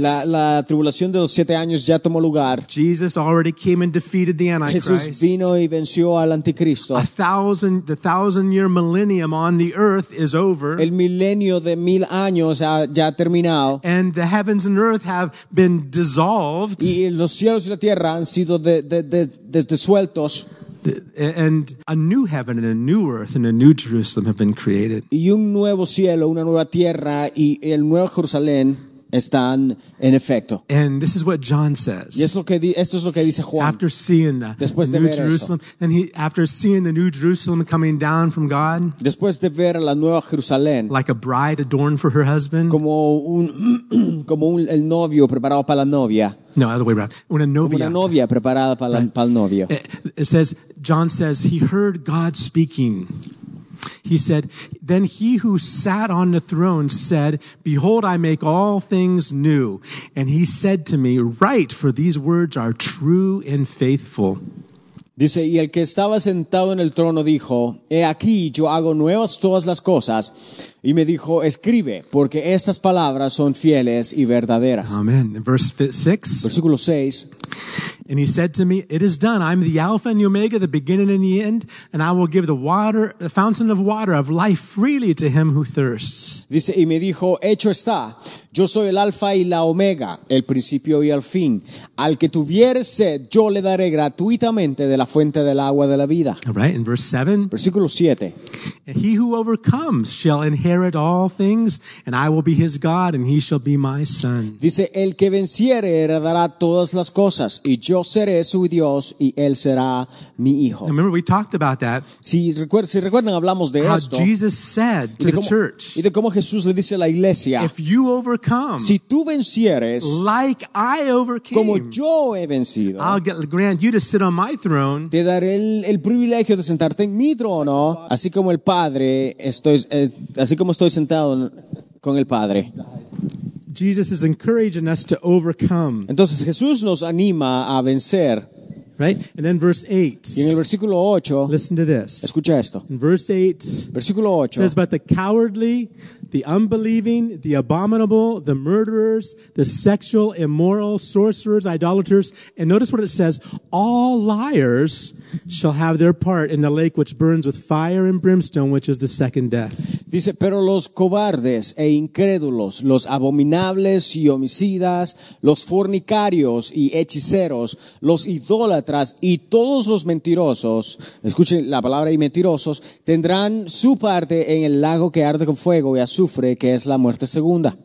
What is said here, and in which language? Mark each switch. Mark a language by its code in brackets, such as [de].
[es] La tribulación de los 7 años ya tomó lugar. [en] Jesus already came and defeated the Antichrist. [es] Jesús vino y venció al Anticristo. [en] The 1,000-year millennium on the earth is over. [es] El milenio de 1,000 años ya ha terminado. [en] And the heavens and earth have been dissolved. [es] Y los cielos y la tierra han sido desueltos. [en] And a new heaven and a new earth and a new Jerusalem have been created. [es] Y un nuevo cielo, una nueva tierra y el nuevo Jerusalén. están en efecto. [en] And this is what John says. [es] Y es lo que esto es lo que dice Juan. [en] After seeing the, [es] después [en] the [es] de [en] New [es] ver [en] Jerusalem, [es] esto. [en] And he after seeing the New Jerusalem coming down from God. [es] Después de ver la nueva Jerusalén. [en] Like a bride adorned for her husband. [es] Como un como un el novio preparado para la novia. [en] No, other way around. [es] Una novia. Como una novia preparada para right. Para el novio. [en] It says John says he heard God speaking. He said, then he who sat on the throne said, behold, I make all things new. And he said to me, write, for these words are true and faithful. [es] Dice, y el que estaba sentado en el trono dijo, he aquí, yo hago nuevas todas las cosas. Y me dijo, escribe, porque estas palabras son fieles y verdaderas. [en] Amen. Verse 6. [es] Versículo 6. [en] And he said to me, it is done. I'm the Alpha and the Omega, the beginning and the end. And I will give the water, the fountain of water of life freely to him who thirsts. [es] Dice, y me dijo, hecho está. Yo soy el Alpha y la Omega, el principio y el fin. Al que tuviere sed, yo le daré gratuitamente de la fuente del agua de la vida. [en] All right, in verse 7. [es] Versículo 7. [en] He who overcomes shall inherit all things, and I will be his God, and he shall be my son. [es] Dice, el que venciere heredará todas las cosas, y yo seré su Dios, y él será mi hijo. [en] Now remember, we talked about that. [es] Si recuerdan, hablamos de [en] how [es] esto. [en] How Jesus said to [es] cómo, [en] the church. [es] Y de cómo Jesús le dice a la iglesia. [en] If you overcome. [es] Si tú vencieres. [en] Like I overcame. [es] Como yo he vencido. [en] I'll grant you to sit on my throne. [es] Te daré el privilegio de sentarte en mi trono, así como el Padre, así como estoy sentado con el Padre. [en] Jesus is encouraging us to overcome. [es] Entonces Jesús nos anima a vencer. [en] Right? And then verse 8. [es] Y en el versículo 8, [en] listen to this. [es] Escucha esto. [en] In verse 8, [es] versículo 8, [en] says, but the cowardly, the unbelieving, the abominable, the murderers, the sexual, immoral, sorcerers, idolaters, and notice what it says, all liars shall have their part in the lake which burns with fire and brimstone, which is the second death. [es] Dice, pero los cobardes e incrédulos, los abominables y homicidas, los fornicarios y hechiceros, los idólatras y todos los mentirosos, escuchen la palabra y mentirosos, tendrán su parte en el lago que arde con fuego y azufre, que es la muerte segunda.